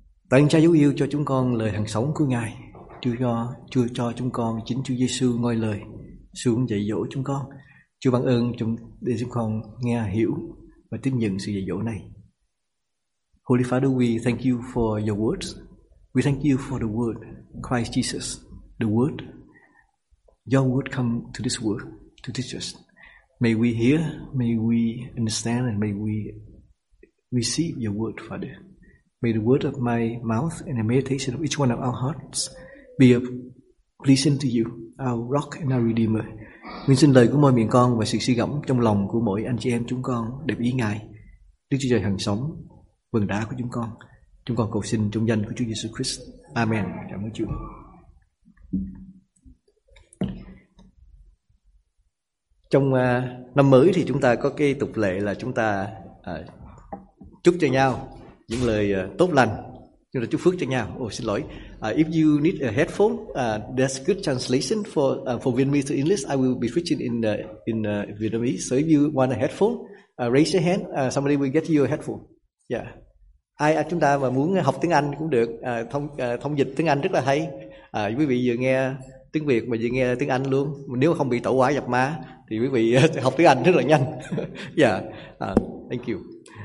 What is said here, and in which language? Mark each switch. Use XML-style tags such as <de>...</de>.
<vi>Tại Cha dấu yêu cho chúng con lời hằng sống của Ngài. Chúa cho chúng con chính Chúa Giêsu ngôi lời xuống dạy dỗ chúng con. Chúa ban ơn để chúng con nghe hiểu và tiếp nhận sự dạy dỗ này.</vi> <en>Holy Father, we thank you for your words. We thank you for the word, Christ Jesus, the word. Your word come to this world to teach us. May we hear, may we understand, and may we receive your word, Father. May the word of my mouth and the meditation of each one of our hearts be pleasing to you, our rock and our redeemer.</en> <vi>Nguyện xin lời của mọi miệng con và sự suy gẫm trong lòng của mỗi anh chị em chúng con đẹp ý Ngài, Đức Chúa Trời hằng sống, vườn đá của chúng con. Chúng con cầu xin trong danh của Chúa Giêsu Christ. Amen. Cảm ơn Chúa. Trong năm mới thì chúng ta có cái tục lệ là chúng ta chúc cho nhau những lời tốt lành, chúng ta chúc phước cho nhau.</vi> <en>If you need a headphone, that's good translation for Vietnamese to English. I will be switching in Vietnamese. So if you want a headphone, raise your hand. Somebody will get you a headphone. Yeah.</en> <vi>Ai chúng ta mà muốn học tiếng Anh cũng được. Thông dịch tiếng Anh rất là hay. Quý vị vừa nghe tiếng Việt mà vừa nghe tiếng Anh luôn. Nếu không bị tẩu hỏa nhập ma thì quý vị học tiếng Anh rất là nhanh.</vi> <en>thank you.</en>